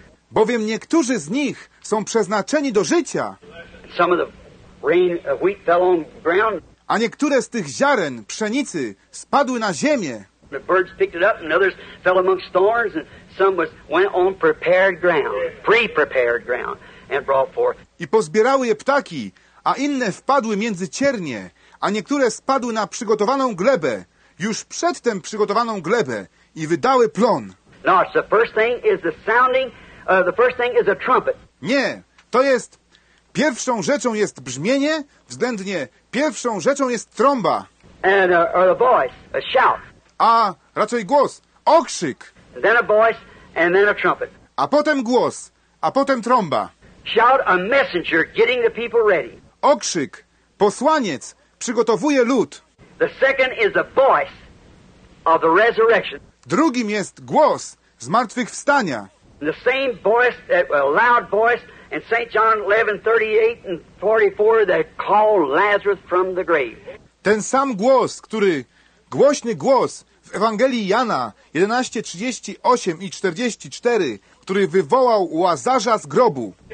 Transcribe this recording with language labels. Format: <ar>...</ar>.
<pl>Bowiem niektórzy z nich są przeznaczeni do życia.</pl> <en>Some of the rain of wheat fell on ground.</en> <pl>a niektóre z tych ziaren, pszenicy, spadły na ziemię.</pl> <en>The birds picked it up and others fell amongst thorns and some was went on prepared ground, pre-prepared ground and brought forth.</en> <pl>I pozbierały je ptaki, a inne wpadły między ciernie, a niektóre spadły na przygotowaną glebę, już przedtem przygotowaną glebę i wydały plon.</pl> <en>No, the first thing is the sounding, the first thing is a trumpet.</en> <pl>Nie, to jest pierwszą rzeczą jest brzmienie, względnie pierwszą rzeczą jest trąba.</pl> <en>And or the voice, a shout.</en> <pl>A raczej głos, okrzyk.</pl> <en>Then a voice, and then a trumpet.</en> <pl>A potem głos, a potem trąba.</pl> <en>Shout a messenger getting the people ready.</en> <pl>Okrzyk, posłaniec, przygotowuje lud.</pl> <en>The second is a voice of the resurrection.</en> <pl>Drugim jest głos zmartwychwstania.</pl> <en>The same voice, a loud voice in St. John 11, 38 and 44 that called Lazarus from the grave.</en> <pl>Ten sam głos, który... Głośny głos w Ewangelii Jana 11:38 i 44, który wywołał Łazarza z grobu.</pl>